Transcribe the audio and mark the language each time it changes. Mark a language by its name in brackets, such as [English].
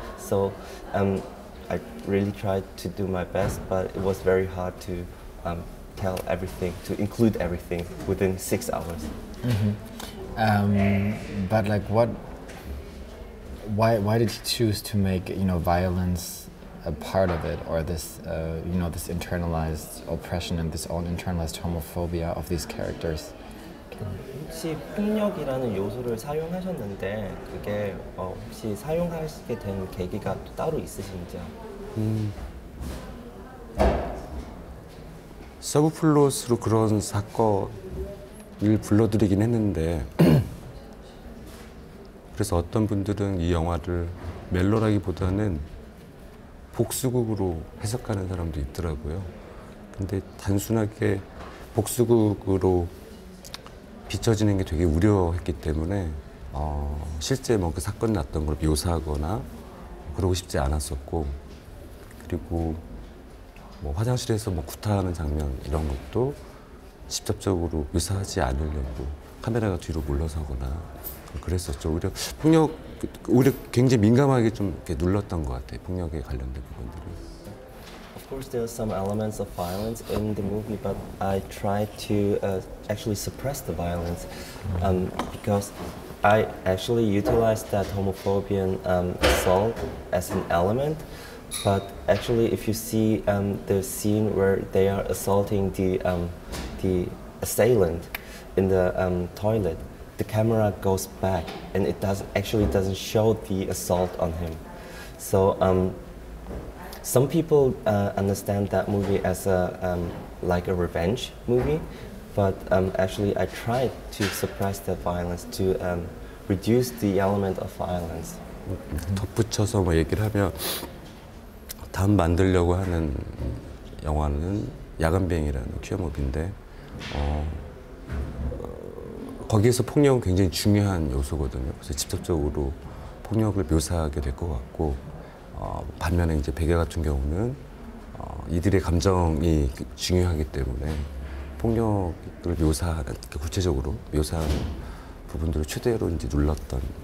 [English] So, I really tried to do my best, but it was very hard to tell everything, to include everything within 6 hours. Mm-hmm. But like, why did you choose to make, you know, violence a part of it, or this, you know, this internalized oppression and this own internalized homophobia of these characters. [Korean] 혹시 폭력이라는 요소를 사용하셨는데 그게 혹시 사용하시게 된 계기가 따로 있으신지요? Subplot로 그런 사건을 불러들이긴 했는데 그래서 어떤 분들은 이 영화를 멜로라기보다는 복수극으로 해석하는 사람도 있더라고요. 근데 단순하게 복수극으로 비춰지는 게 되게 우려했기 때문에 실제 뭐 그 사건이 났던 걸 묘사하거나 그러고 싶지 않았었고, 그리고 뭐 화장실에서 뭐 구타하는 장면 이런 것도 직접적으로 묘사하지 않으려고 카메라가 뒤로 물러서거나 그랬었죠. 오히려 폭력, 오히려 굉장히 민감하게 좀 이렇게 눌렀던 것 같아요. 폭력에 관련된 부분들이. [English] Of course, there are some elements of violence in the movie, but I tried to actually suppress the violence because I actually utilized that homophobian assault as an element. But actually, if you see the scene where they are assaulting the assailant in the toilet, the camera goes back and it doesn't show the assault on him. So some people understand that movie as a revenge movie, but actually I tried to suppress the violence, to reduce the element of violence. [Korean] 덧붙여서 뭐 얘기를 하면 다음 만들려고 하는 영화는 야간비행이라는 퀴어 무비인데 거기에서 폭력은 굉장히 중요한 요소거든요. 그래서 직접적으로 폭력을 묘사하게 될 것 같고, 반면에 이제 백야 같은 경우는 이들의 감정이 중요하기 때문에 폭력을 묘사하는, 구체적으로 묘사하는 부분들을 최대로 이제 눌렀던.